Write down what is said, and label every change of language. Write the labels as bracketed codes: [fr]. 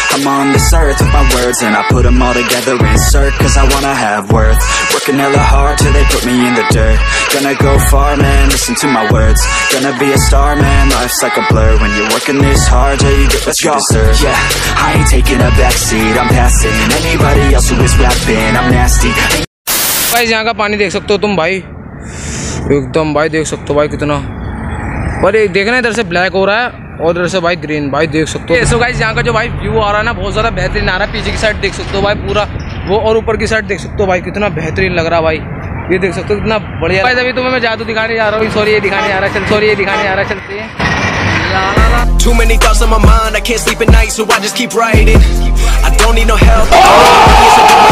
[en] I'm on this earth with my words, and I put them all together, insert, 'cause I wanna have worth. Working hella hard till they put me in the dirt. Gonna go far, man, listen to my words. Gonna be a star, man, life's like a blur. When you're working this hard, yeah, you get what you deserve. Yeah, I ain't taking a backseat, I'm passing anybody else who is rapping, I'm nasty. [hi] Guys, yahan ka pani dekh sakte ho tum bhai, एकदम भाई देख सकते हो भाई कितना, पर देखना इधर से ब्लैक हो रहा है और इधर से भाई ग्रीन, भाई देख सकते हो। सो गाइस, यहाँ का जो भाई व्यू आ रहा है ना बहुत ज़्यादा बेहतरीन आ रहा है, पीछे की साइड देख सकते हो भाई पूरा वो, और ऊपर की साइड देख सकते हो भाई कितना बेहतरीन लग रहा है भाई, ये देख सकते हो कितना बढ़िया। भाई अभी तुम्हें मैं जादू दिखाने जा रहा हूँ, सॉरी ये दिखाने आ रहा है, चल सॉरी ये दिखाने आ रहा है, चलते हैं। [en] Too many thoughts on my mind, I can't sleep at night, so I just keep writing. I don't need no help.